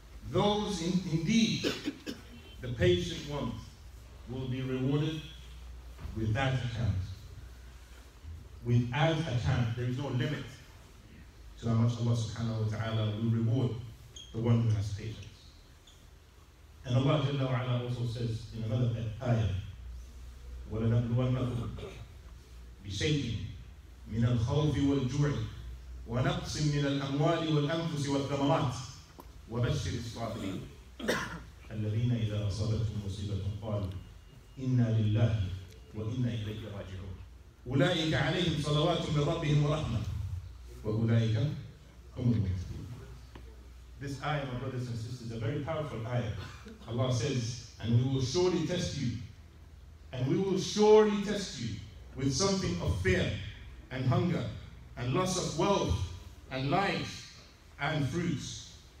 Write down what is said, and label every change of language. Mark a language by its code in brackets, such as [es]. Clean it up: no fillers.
[en] Those indeed, the patient ones, will be rewarded without account. Without account, there is no limit to how much Allah subhanahu wa ta'ala will reward the one who has patience. And Allah jalla wa ala also says in another ayah, [ar] وَلَنَبْلُوَنَّكُمْ بِشَيْءٍ مِنَ الْخَوْفِ وَالْجُوعِ وَنَقْصٍ مِنَ الْأَمْوَالِ وَالْأَنْفُسِ وَالثَّمَرَاتِ وَبَشِّرِ الصَّابِرِينَ الَّذِينَ إِذَا أَصَابَتْهُمْ مُصِيبَةٌ قَالُوا إِنَّا لِلَّهِ وَإِنَّا إِلَيْهِ رَاجِعُونَ أولئك عليهم صلوات من ربهم ورحمة وأولئك هم المفلحون. [en] This ayah, my brothers and sisters, is a very powerful ayah. Allah says, and we will surely test you, and we will surely test you with something of fear and hunger and loss of wealth and life and fruits.